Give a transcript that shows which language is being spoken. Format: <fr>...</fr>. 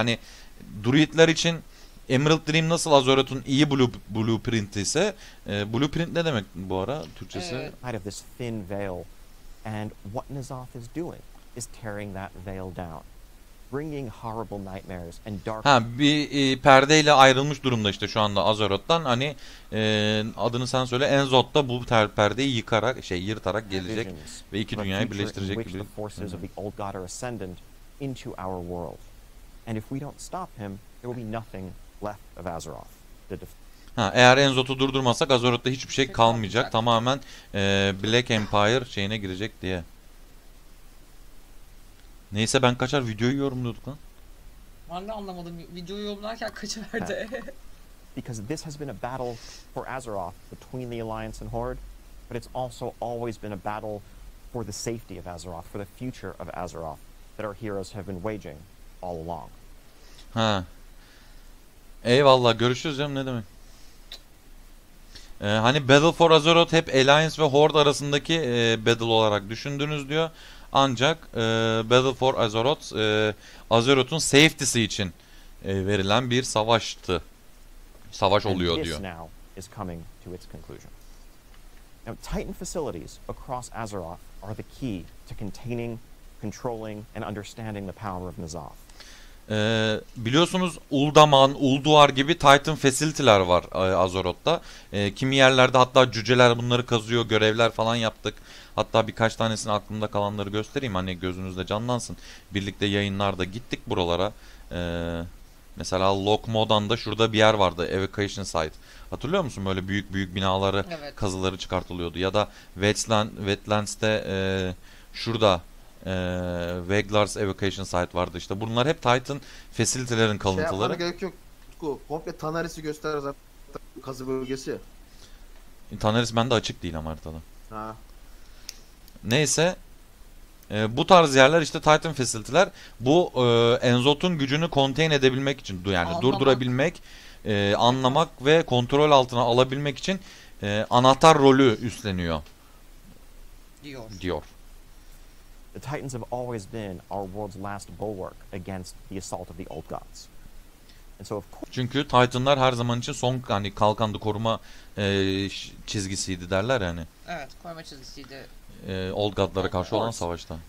<tr>Hani Druid'ler için Emerald Dream nasıl Azorot'un iyi blueprint ise, blueprint ne demek bu ara Türkçesi?</tr> <en>Out of this thin veil and what N'Zoth is doing is tearing that veil down. Bringing horrible nightmares and dark.</en> <tr>Ha bir perdeyle ayrılmış durumda işte şu anda Azoroth'tan. Hani adını sen söyle N'Zoth da bu perdeyi yıkarak şey yırtarak gelecek ve iki dünyayı birleştirecek gibi.</tr> <en>The forces of the old god are ascendant into our world. And if we don't stop him, there will be nothing left of Azeroth.</en> <tr>Ha, eğer N'Zoth'u durdurmazsak Azeroth'ta hiçbir şey kalmayacak. Tamamen Black Empire şeyine girecek diye. Neyse ben kaçar videoyu yorumluyorduk lan. Ben de anlamadım. Videoyu yorumlarken kaçıverdi.</tr> <en>Because this has been a battle for Azeroth between the Alliance and Horde, but it's also always been a battle for the safety of Azeroth, for the future of Azeroth that our heroes have been waging all along.</en> <tr>Ha. Eyvallah, görüşürüz canım, ne demek? Hani Battle for Azeroth hep Alliance ve Horde arasındaki battle olarak düşündünüz diyor. Ancak Battle for Azeroth Azeroth'un safety'si için verilen bir savaştı. Savaş oluyor diyor.</tr> <en>Now is coming to its conclusion. Now, Titan facilities across Azeroth are the key to containing, controlling and understanding the power of N'Zoth.</en> <tr>Biliyorsunuz Uldaman, Ulduar gibi Titan facility'ler var Azeroth'ta. Kimi yerlerde hatta cüceler bunları kazıyor, görevler falan yaptık. Hatta birkaç tanesini aklımda kalanları göstereyim, hani gözünüzde canlansın. Birlikte yayınlarda gittik buralara. Mesela Lokmodan'da şurada bir yer vardı, Evocation Site. Hatırlıyor musun, böyle büyük büyük binaları, evet, kazıları çıkartılıyordu. Ya da Wetlands'te şurada Veglar's Evocation Site vardı işte. Bunlar hep Titan facility'lerin kalıntıları. Şey yapmana gerek yok. Komple Tanaris'i gösterir zaten, kazı bölgesi. Tanaris bende açık değil ama haritada. Ha. Neyse. Bu tarz yerler işte Titan facility'ler. Bu N'Zoth'un gücünü contain edebilmek için, yani anlamak, durdurabilmek, anlamak ve kontrol altına alabilmek için anahtar rolü üstleniyor. Diyor.</tr> <en>The Titans have always been our world's last bulwark against the assault of the old gods. And so of course,</en> <tr>çünkü Titanlar her zaman için son, hani kalkandı, koruma çizgisiydi derler yani. Evet, koruma çizgisiydi. Old godlara karşı olan savaşta.</tr>